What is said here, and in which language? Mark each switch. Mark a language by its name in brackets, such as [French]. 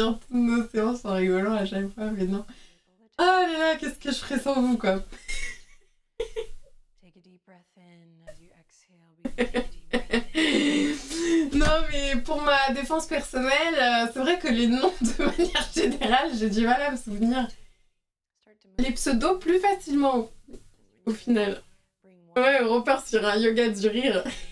[French] Nos séances en rigolant à chaque fois, mais non. Oh là là, qu'est-ce que je ferais sans vous, quoi. [English] Take a deep breath in as you exhale. [French] Non, mais pour ma défense personnelle, c'est vrai que les noms, de manière générale, j'ai du mal à me souvenir. Les pseudos plus facilement, au final. Ouais, repart sur un yoga du rire.